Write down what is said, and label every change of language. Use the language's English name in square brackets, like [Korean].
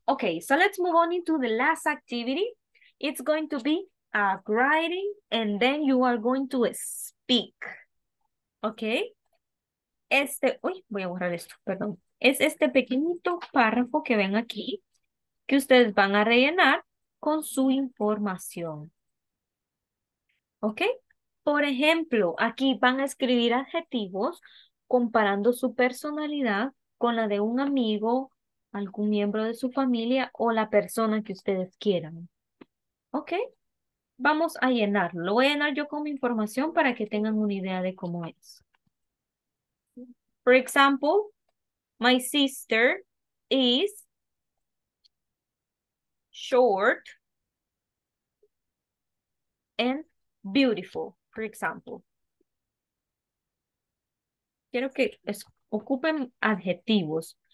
[English] Okay, so let's move on into the last activity. It's going to be a writing, and then you are going to speak. [Spanish] Okay? Este, uy, voy a borrar esto, perdón. Es este pequeñito párrafo que ven aquí, que ustedes van a rellenar con su información. Okay? Por ejemplo, aquí van a escribir adjetivos comparando su personalidad con la de un amigo, algún miembro de su familia o la persona que ustedes quieran. ¿Ok? Vamos a llenarlo. Lo voy a llenar yo con mi información para que tengan una idea de cómo es. [English] For example, my sister is short and beautiful. For example, [Spanish] quiero que ocupen adjetivos.